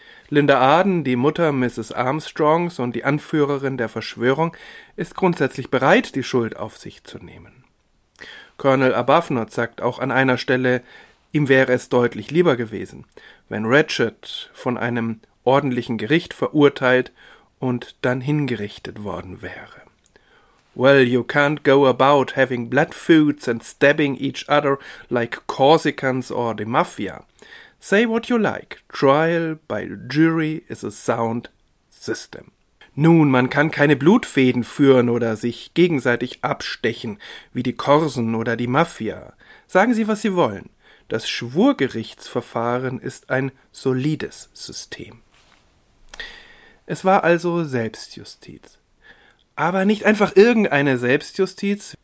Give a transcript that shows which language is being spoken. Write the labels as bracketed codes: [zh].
[de] Linda Arden, die Mutter Mrs. Armstrongs und die Anführerin der Verschwörung, ist grundsätzlich bereit, die Schuld auf sich zu nehmen. Colonel Arbuthnot sagt auch an einer Stelle, ihm wäre es deutlich lieber gewesen, wenn Ratchet von einem ordentlichen Gericht verurteilt und dann hingerichtet worden wäre. [en] Well, you can't go about having blood feuds and stabbing each other like Corsicans or the Mafia. Say what you like, trial by jury is a sound system. [de] Nun, man kann keine Blutfäden führen oder sich gegenseitig abstechen, wie die Korsen oder die Mafia. Sagen Sie, was Sie wollen. Das Schwurgerichtsverfahren ist ein solides System. Es war also Selbstjustiz. Aber nicht einfach irgendeine Selbstjustiz.